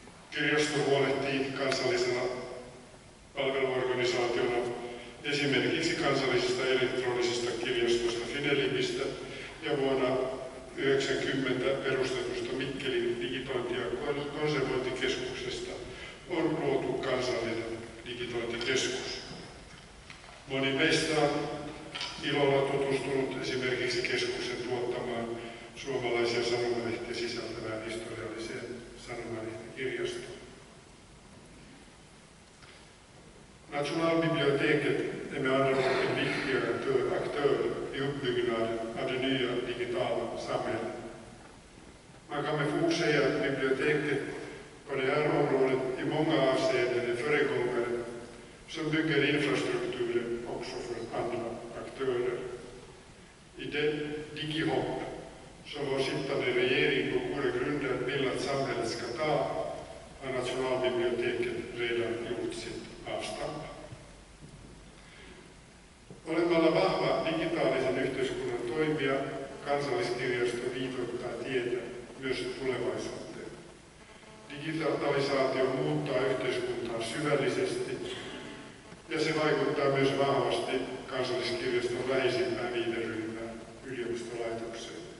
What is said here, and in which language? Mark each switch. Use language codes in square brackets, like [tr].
[fi] Kirjasto huolehtii kansallisena palveluorganisaationa esimerkiksi kansallisista elektronisista kirjastosta Fidelimistä ja vuonna 90 perustetusta Mikkelin digitointi- ja konservointikeskuksesta on luotu kansallinen digitointikeskus. Moni meistä on ilolla tutustunut esimerkiksi keskuksen tuottamaan suomalaisia sanomalehtiä sisältävään historialliseen sanomalehtikirjastoon. [sv] Nationalbiblioteket är med andra ord en viktigare aktör i uppbyggnaden av det nya digitala samhället. Man kan med fog säga att biblioteket på det här området i många avseenden är föregångare som bygger infrastrukturen också för andra aktörer. I det digihopp som vår sittande regering på goda grunder vill att samhället ska ta har Nationalbiblioteket redan gjort sitt avstamp. [fi] Olemalla vahva digitaalisen yhteiskunnan toimija, kansalliskirjasto viitoittaa tietä myös tulevaisuuteen. Digitalisaatio muuttaa yhteiskuntaa syvällisesti ja se vaikuttaa myös vahvasti kansalliskirjaston vähisimpään viiteryhmään yliopistolaitokseen.